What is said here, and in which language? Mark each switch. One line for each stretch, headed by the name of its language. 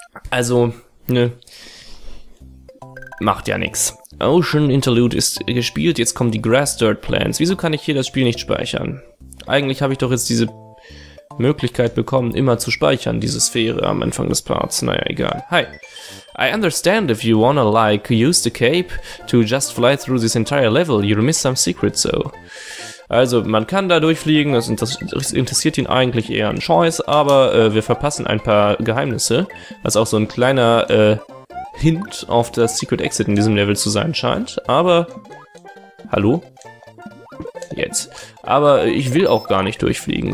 German: Also, ne. Macht ja nichts. Ocean Interlude ist gespielt. Jetzt kommen die Grass Dirt Plants. Wieso kann ich hier das Spiel nicht speichern? Eigentlich habe ich doch jetzt diese Möglichkeit bekommen, immer zu speichern, diese Sphäre am Anfang des Parts. Naja, egal. Hi.
English: I understand if you wanna, like, use the cape to just fly through this entire level, you'll miss some secrets, so.
German: Also, man kann da durchfliegen, das interessiert ihn eigentlich eher ein Scheiß, aber wir verpassen ein paar Geheimnisse, was auch so ein kleiner Hint auf das Secret Exit in diesem Level zu sein scheint, aber... Hallo? Jetzt. Aber ich will auch gar nicht durchfliegen.